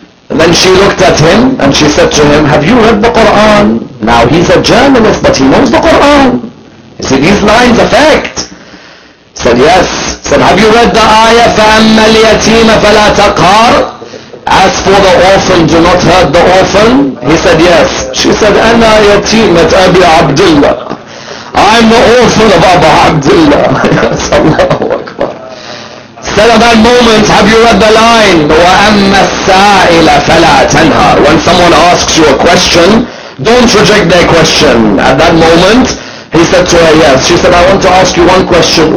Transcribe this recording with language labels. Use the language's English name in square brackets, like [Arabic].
[English] And then she looked at him, and she said to him, have you read the Quran? Now he's a journalist, but he knows the Quran. He said, these lines affect. He said, yes. He said, have you read the ayah, [Arabic] فَأَمَّا الْيَتِيمَ فَلَا تَقْهَرْ? [English] As for the orphan, do not hurt the orphan. He said, yes. She said, [Arabic] أَنَا يَتِيمَةَ أَبِي عَبْدِ اللَّهِ. [English] I'm the orphan of Abu Abdullah. Yes, Allahu Akbar. Said at that moment, have you read the line, [Arabic] وَأَمَّا السَّائِلَ فَلَا تَنْهَرْ? [English] When someone asks you a question, don't reject their question. At that moment, he said to her, yes. She said, I want to ask you one question.